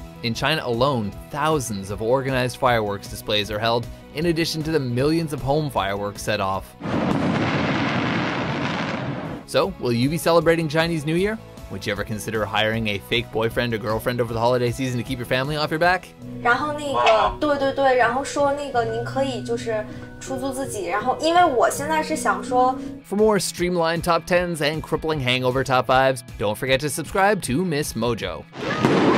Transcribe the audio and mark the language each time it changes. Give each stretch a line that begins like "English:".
English: In China alone, thousands of organized fireworks displays are held, in addition to the millions of home fireworks set off. So, will you be celebrating Chinese New Year? Would you ever consider hiring a fake boyfriend or girlfriend over the holiday season to keep your family off your back?
Chinese: 然后那个，对对对，然后说那个您可以就是出租自己，然后因为我现在是想说。
English: For more streamlined top 10s and crippling hangover top 5s, don't forget to subscribe to MsMojo.